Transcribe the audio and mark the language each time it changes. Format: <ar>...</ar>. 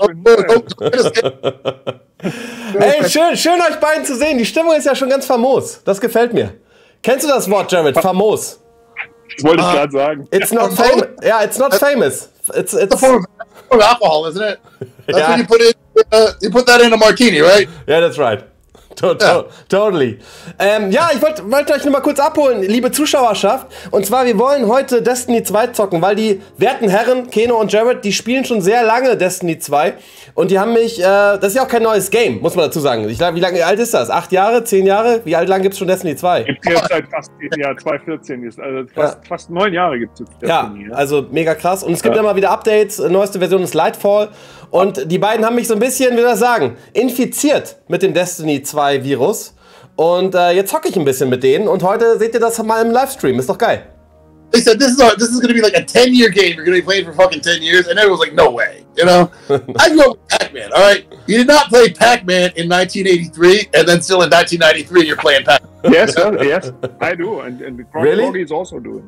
<de>one. Hey, schön euch beiden zu sehen. Die Stimmung ist ja schon ganz famos. Das gefällt mir. Kennst du das Wort, Jared? Famos. Wollte ich gerade sagen.</de> <en>It's not famous. Yeah, it's not famous. It's a form of alcohol, isn't it? That's yeah. When you put that in a martini, right? Yeah, that's right. Totally.</en> <de>Ja, ich wollte euch nur mal kurz abholen, liebe Zuschauerschaft. Und zwar, wir wollen heute Destiny 2 zocken, weil die werten Herren, Keno und Jared, die spielen schon sehr lange Destiny 2. Und die haben mich, das ist ja auch kein neues Game, muss man dazu sagen. Wie alt ist das? 8 Jahre? 10 Jahre? Wie alt lang gibt es schon Destiny 2? Gibt es jetzt seit fast 2014. Fast 9 Jahre gibt es jetzt Destiny. Ja, also mega krass. Und es gibt immer wieder Updates. Neueste Version ist Lightfall. Und die beiden haben mich so ein bisschen, wie soll ich sagen, infiziert mit dem Destiny 2 Virus. Und jetzt hocke ich ein bisschen mit denen. Und heute seht ihr das mal im Livestream. Ist doch geil.</de> <en>They said, this is going to be like a 10-year game. You're going to be playing for fucking 10 years. And everyone was like, no way. You know? I grew up with Pac-Man, all right? You did not play Pac-Man in 1983. And then still in 1993, you're playing Pac-Man. Yes, yes. I do. And really? Krogi is also doing.</en>